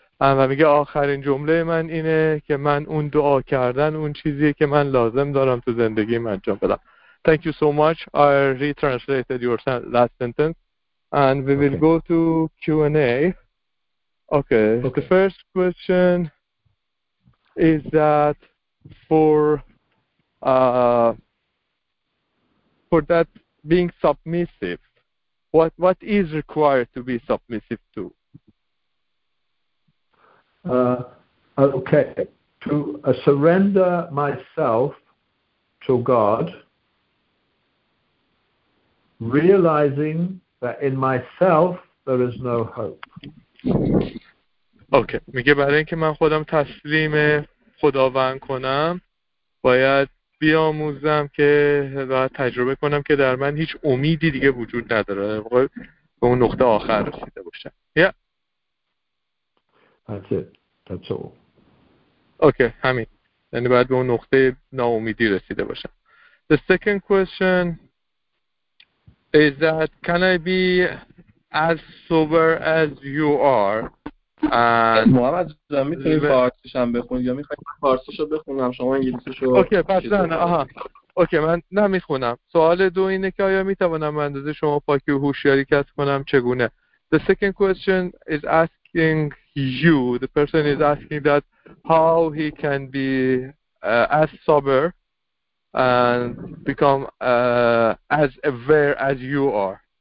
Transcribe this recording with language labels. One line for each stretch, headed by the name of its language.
Persian: و میگه آخرین جمله من اینه که من اون دعا کردن اون چیزیه که من لازم دارم تو زندگی من انجام بدم.
English: Thank you so much. I retranslated your last sentence, and we will go to Q&A. Okay. The first question is that for that being submissive, what is required to be submissive to? To surrender myself to God. Realizing that in myself there is no hope. Okay.
Persian: میگه برای اینکه من خودم تسلیم خداوند کنم باید بیاموزم که و تجربه کنم که در من هیچ امیدی دیگه وجود نداره. به اون نقطه آخر رسیده باشم.
English: Yeah. That's it. That's all. Okay.
Persian: همین. یعنی باید به اون نقطه ناامیدی رسیده باشم.
English: The second question is that can I be as sober as you are? And
Persian: محمد جان میتونی فارسیش هم بخونی یا میخوای فارسیشو بخونم شما انگلیسیشو؟ اوکی پس نه اوکی من نمیخونم. سوال دو اینه که آیا میتوانم به اندازه شما پاکی و هوشیاری کسب کنم چگونه؟
English: The second question is asking you, the person is asking that how he can be as sober and become as aware as you are.